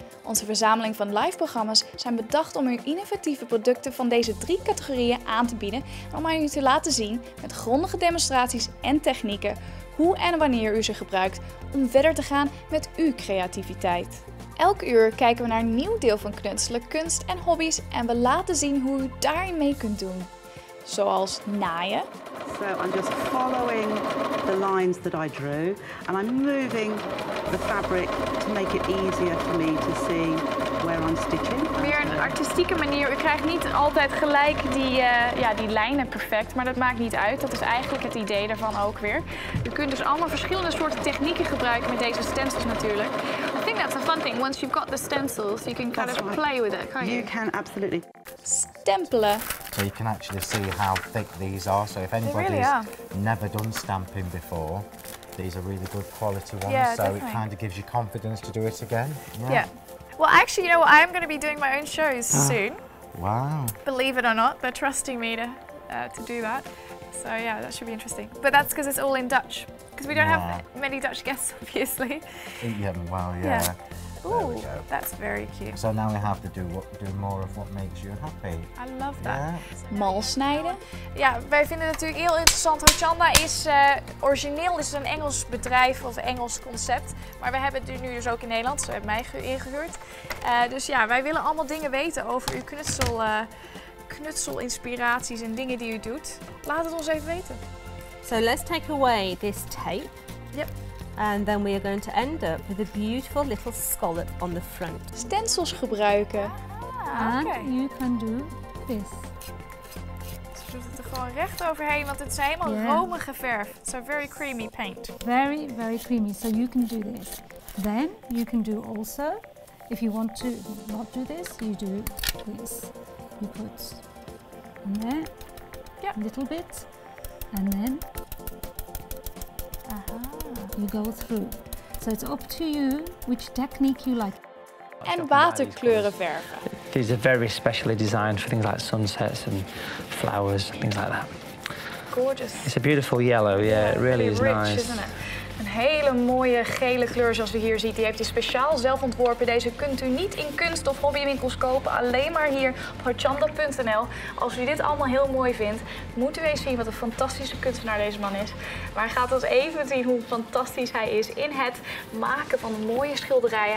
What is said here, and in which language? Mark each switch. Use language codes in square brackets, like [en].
[nl] Onze verzameling van live programma's zijn bedacht om u innovatieve producten van deze drie categorieën aan te bieden en om aan u te laten zien met grondige demonstraties en technieken hoe en wanneer u ze gebruikt om verder te gaan met uw creativiteit. Elk uur kijken we naar een nieuw deel van knutselen, kunst en hobby's en we laten zien hoe u daarin mee kunt doen. Zoals naaien. [en] So I'm just following the lines that I drew and I'm moving the fabric to make it easier for me to see where I'm stitching. [nl] Meer een artistieke manier. U krijgt niet altijd gelijk die lijnen perfect, maar dat maakt niet uit. Dat is eigenlijk het idee daarvan ook weer. U kunt dus allemaal verschillende soorten technieken gebruiken met deze stencils natuurlijk. [en] I think that's a fun thing. Once you've got the stencils, you can kind of play with it, can't you? You can absolutely. [nl] Stempelen. [en] So you can actually see how thick these are. So if anybody's never done stamping before, these are really good quality ones. Yeah, so definitely. It kind of gives you confidence to do it again. Yeah. Well, actually, you know what? I'm going to be doing my own shows soon. Wow. Believe it or not, they're trusting me to do that. So yeah, that should be interesting. But that's because it's all in Dutch. Because we don't have many Dutch guests, obviously. Yeah. Ooh, that's very cute. So now we have to do more of what makes you happy. I love that. Yeah. [nl] Mal snijden. Ja, wij vinden het natuurlijk heel interessant. Hochande is origineel is een Engels bedrijf of Engels concept. Maar we hebben het nu dus ook in Nederland. Ze hebben mij ingehuurd. Dus ja, wij willen allemaal dingen weten over uw knutselinspiraties en dingen die u doet. Laat het ons even weten. [en] So let's take away this tape. Yep. And then we are going to end up with a beautiful little scallop on the front. [nl] Stencils gebruiken. [en] And you can do this. [nl] Ze doet het er gewoon recht overheen, want het is helemaal romige verf. [en] It's a very creamy paint. Very, very creamy. So you can do this. Then you can do also, if you want to not do this, you do this. You put in there. Yeah. A little bit. And then. You go through. So it's up to you which technique you like. [nl] En waterkleuren verven. [en] These are very specially designed for things like sunsets and flowers and things like that. Gorgeous. It's a beautiful yellow, yeah, it really is rich, nice. Isn't it? [nl] Een hele mooie gele kleur zoals u hier ziet. Die heeft u speciaal zelf ontworpen. Deze kunt u niet in kunst- of hobbywinkels kopen. Alleen maar hier op hochande.nl. Als u dit allemaal heel mooi vindt, moet u eens zien wat een fantastische kunstenaar deze man is. Maar hij gaat ons even zien hoe fantastisch hij is in het maken van mooie schilderijen.